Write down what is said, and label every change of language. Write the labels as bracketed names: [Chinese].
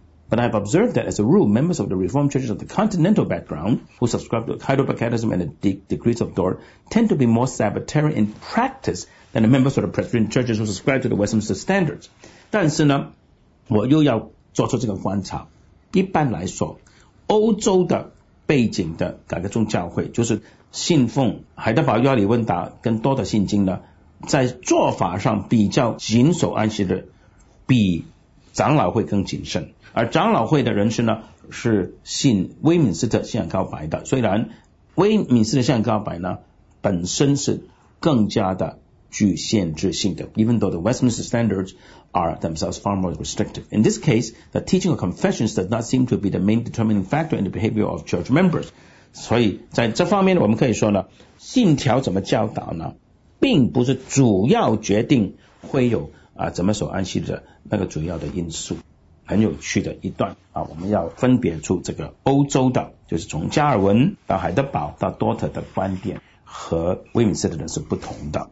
[English] But I have observed that as a rule, members of the Reformed churches of the continental background who subscribe to Heidelberg Catechism and the decrees of Dort tend to be more Sabbatarian in practice than the members of the Presbyterian churches who subscribe to the Westminster standards. [Chinese] 但是呢，我又要做出这个观察。一般来说，欧洲的背景的改革宗教会，就是信奉海德堡药理问答跟多特信经呢，在做法上比较谨守安息日，比长老会更谨慎。而长老会的人士呢，是信威敏斯特信仰告白的。虽然威敏斯特信仰告白呢，本身是更加的具限制性的。 [English] Even though the Westminster standards are themselves far more restrictive. In this case, the teaching of confessions does not seem to be the main determining factor in the behavior of church members. [Chinese] 所以在这方面我们可以说呢，信条怎么教导呢，并不是主要决定会有啊怎么守安息的那个主要的因素。很有趣的一段啊，我们要分别出这个欧洲的，就是从加尔文到海德堡到多特的观点和威敏斯特的是不同的。